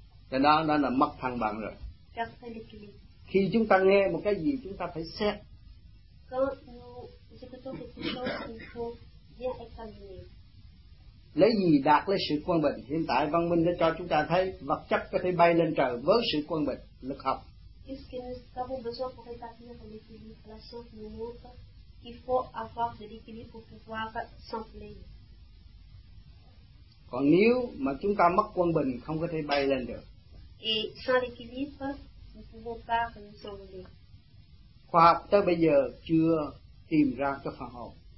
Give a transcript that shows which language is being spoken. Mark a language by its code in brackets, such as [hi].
[vi] Cái đó là mất thăng bằng rồi. [fr] garder l'équilibre. [vi] Khi chúng ta nghe một cái gì chúng ta phải xét. [fr] Quand nous écoutons quelque chose, il faut bien examiner. [vi] Lấy gì đạt lấy sự quân bình? Hiện tại văn minh đã cho chúng ta thấy vật chất có thể bay lên trời với sự quân bình, lực học. [fr] Qu'est-ce que nous avons besoin pour établir l'équilibre? La science nous montre qu'il faut avoir de l'équilibre pour pouvoir s'enflammer. [vi] Còn nếu mà chúng ta mất quân bình, không có thể bay lên được. [fr] Et sans l'équilibre, nous ne pouvons pas nous s'enflammer. [vi] Khoa học tới bây giờ chưa tìm ra cái phản hồi.